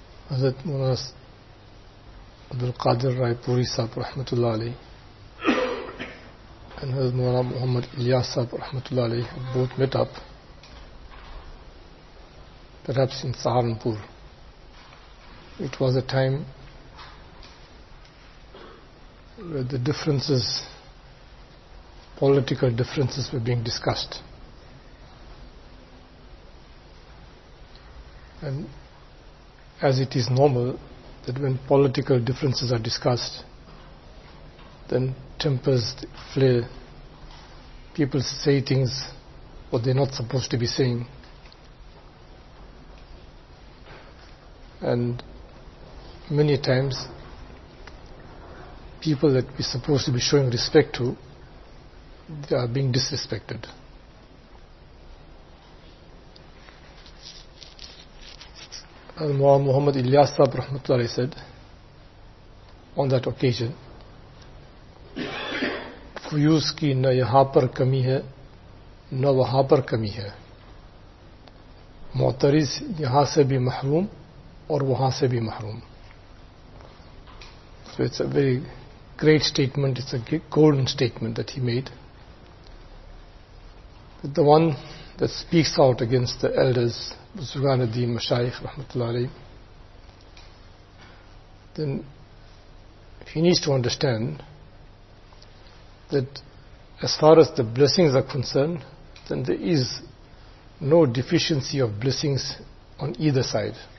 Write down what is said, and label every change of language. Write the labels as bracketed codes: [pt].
[en] حضرت مناس عبدالقادر رائے پوری صاحب رحمت اللہ علیہ، حضرت مولانا محمد الیاس صاحب رحمت اللہ علیہ، both met up perhaps in Saharanpur. It was a time where the differences, political differences, were being discussed. And as it is normal that when political differences are discussed, then tempers flare, people say things what they're not supposed to be saying. And many times people that we're supposed to be showing respect to, they are being disrespected. Muhammad Ilyas Sahib Rahmatullahi said on that occasion, [ur] fuse کی نہ یہاں پر کمی ہے نہ وہاں پر کمی ہے، معترض یہاں سے بھی محروم اور وہاں سے بھی محروم. [en] So it's a very great statement, it's a golden statement that he made. But the one that speaks out against the elders, [ur] بزرگان الدین مشایخ رحمت اللہ علیہ، [en] then he needs to understand that as far as the blessings are concerned, then there is no deficiency of blessings on either side.